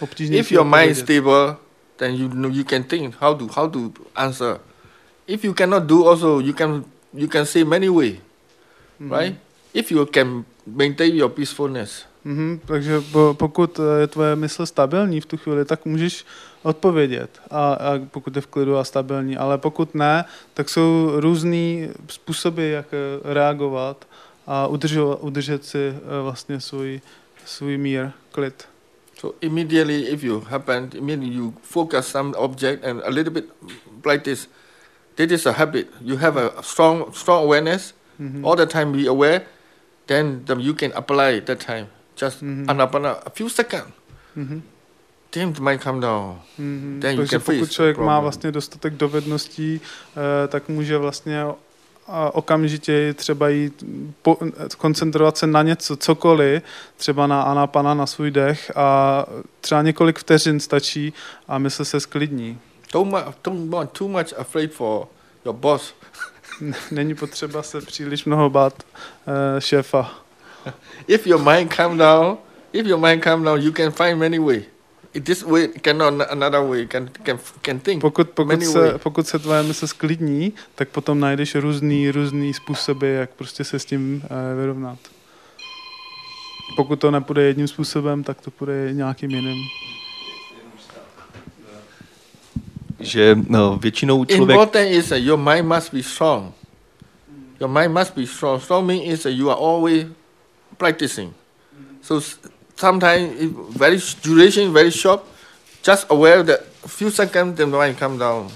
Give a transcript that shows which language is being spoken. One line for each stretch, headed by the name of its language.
English: If your mind is stable, then you can think how to answer. If you cannot do, also you can say many way, right? If you can maintain your peacefulness.
Czech: Takže pokud je tvoje mysl stabilní v tu chvíli, tak můžeš odpovědět, a pokud je v klidu a stabilní, ale pokud ne, tak jsou různý způsoby, jak reagovat a udržet si vlastně svůj mír, klid.
English: So immediately if you happen, immediately you focus some object and a little bit like this. This is a habit. You have a strong awareness. Mm-hmm. All the time be aware, then you can apply that time. Just anapana, a few seconds. Then it might come down. Then you can face.
Czech: Pokud člověk má vlastně dostatek dovedností, tak může vlastně okamžitě třeba jít koncentrovat se na něco, cokoliv, třeba na anapana, na svůj dech, a třeba několik vteřin stačí a mysl se sklidní.
English: Too much afraid for your boss.
Czech: Není potřeba se příliš mnoho bát šéfa.
English: If your mind calm down, you can find many way. This way cannot another way. Can think.
Czech: Pokud se tvoje mysl sklidní, tak potom najdeš různý způsoby, jak prostě se s tím vyrovnat. Pokud to nepůjde jedním způsobem, tak to půjde nějakým jiným. Že většinou člověk.
English: Important is that your mind must be strong. Your mind must be strong. Strong means that you are always practicing. So sometimes very short, just aware that few seconds then mind come down.